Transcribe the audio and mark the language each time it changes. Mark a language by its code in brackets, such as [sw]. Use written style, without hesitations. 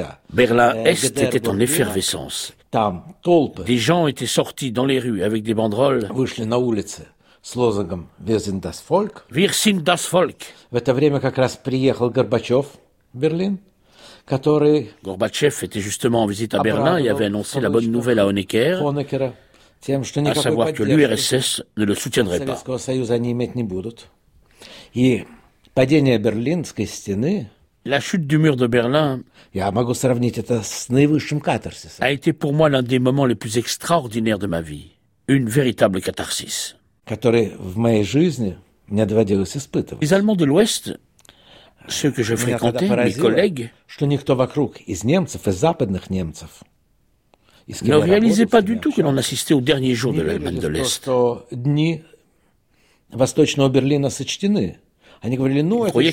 [fr] Berlin-Est était en effervescence. Des gens étaient sortis dans les rues avec des banderoles. [ru] С лозунгом [de] «Wir sind das Volk». «Wir sind das Volk». [ru] В это время как раз приехал Горбачев в Берлин. Который... [fr] Горбачев était justement en visite à Берлин et avait annoncé la bonne nouvelle à Honecker, [ru] тем, что [fr] à savoir que l'URSS ne le soutiendrait pas. [ru] Советского Союза они иметь не будут. И падение Берлинской стены... [fr] La chute du mur de Berlin [ru] я [fr] a été pour moi l'un des moments les plus extraordinaires de ma vie. Une véritable catharsis. [ru] Который в моей жизни мне доводилось испытывать. [fr] Les Allemands de l'Ouest... Ceux que je fréquentais, mes collègues, ne réalisaient pas du tout que l'on assistait au dernier jour de l'Allemagne de l'Est. Ils croyaient